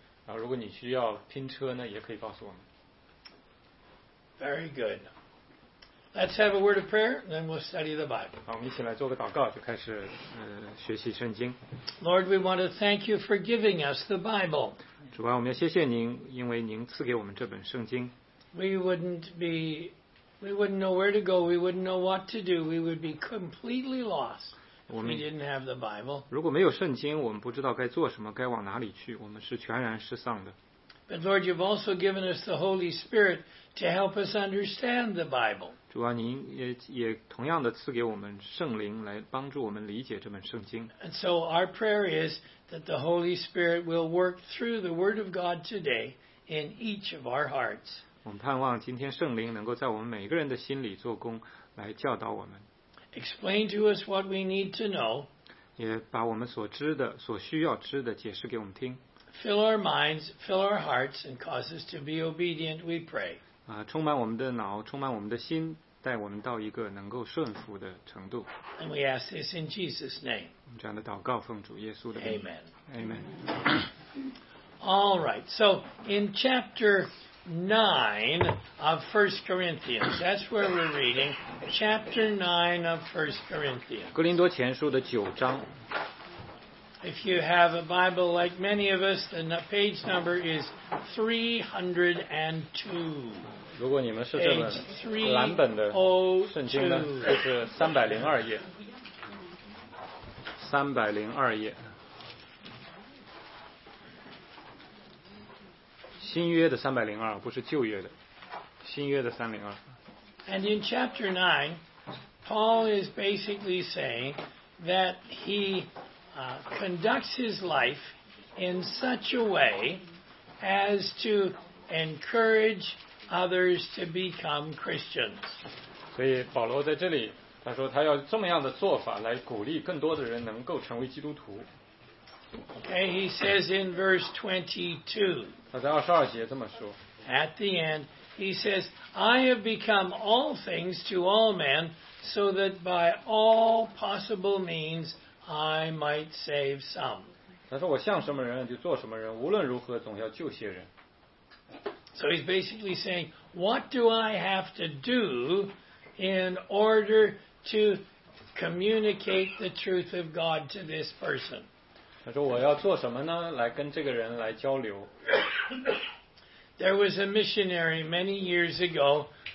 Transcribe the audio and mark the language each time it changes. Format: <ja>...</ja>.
<zh>然后如果你需要拼车呢，也可以告诉我们。</zh> <en>Very good. Let's have a word of prayer, then we'll study the Bible.</en> <zh>好，我们一起来做个祷告，就开始学习圣经。</zh> <en>Lord, we want to thank you for giving us the Bible.</en> <zh>主啊，我们要谢谢您，因为您赐给我们这本圣经。</zh> <en>We wouldn't know where to go. We wouldn't know what to do. We would be completely lost if we didn't have the Bible.</en> <zh>如果没有圣经，我们不知道该做什么，该往哪里去，我们是全然失丧的。</zh> <en>But Lord, you've also given us the Holy Spirit to help us understand the Bible.</en> <zh>主啊，您也同样的赐给我们圣灵来帮助我们理解这本圣经。</zh> <en>And so our prayer is that the Holy Spirit will work through the Word of God today in each of our hearts.</en> <zh>我们盼望今天圣灵能够在我们每个人的心里做工，来教导我们。</zh> <en>Explain to us what we need to know.</en> <zh>也把我们所知的、所需要知的解释给我们听。</zh> <en>Fill our minds, fill our hearts, and cause us to be obedient, we pray.</en> <zh>充满我们的脑，充满我们的心，带我们到一个能够顺服的程度。</zh> <en>And we ask this in Jesus' name.</en> <zh>我们这样的祷告奉主耶稣的名。</zh> <en>Amen. Amen. All right, so in chapter 9 of 1 Corinthians, that's where we're reading, chapter 9 of 1 Corinthians.</en> <zh>哥林多前书的九章。</zh> <en>If you have a Bible like many of us, the page number is 302.</en> <zh>如果你们是这本蓝本的圣经呢，就是302页。 302页。新约的302，不是旧约的。新约的302。</zh> <en>And in chapter 9, Paul is basically saying that he conducts his life in such a way as to encourage others to become Christians.</en> <zh>所以保罗在这里，他说他要这么样的做法来鼓励更多的人能够成为基督徒。</zh> <en>Okay, he says in verse 22.</en> <zh>他在22节这么说。</zh> <en>At the end, he says, I have become all things to all men, so that by all possible means I might save some.</en> <zh>他说我像什么人就做什么人，无论如何总要救些人。</zh> <en>So he's basically saying, what do I have to do in order to communicate the truth of God to this person?</en> <zh>他说我要做什么呢？来跟这个人来交流。</zh> <en>There was a missionary many years ago.</en>